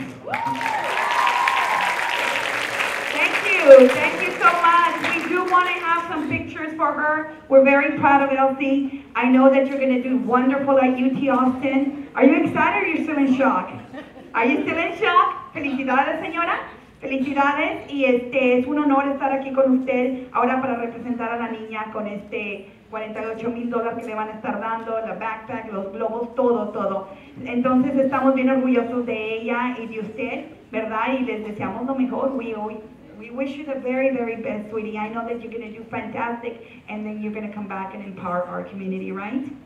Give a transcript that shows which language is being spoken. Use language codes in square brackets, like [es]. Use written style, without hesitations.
[en] Thank you so much. We do want to have some pictures for her. We're very proud of Elsie. I know that you're going to do wonderful at UT Austin. Are you excited or are you still in shock? Are you still in shock? [es] Felicidades, señora. Felicidades. Y es un honor estar aquí con usted ahora para representar a la niña con este $48,000 que le van a estar dando, la backpack, los globos, todo, todo. Entonces estamos bien orgullosos de ella y de usted, ¿verdad? Y les deseamos lo mejor. [en] We wish you the very, very best, sweetie. I know that you're gonna do fantastic, and then you're gonna come back and empower our community, right?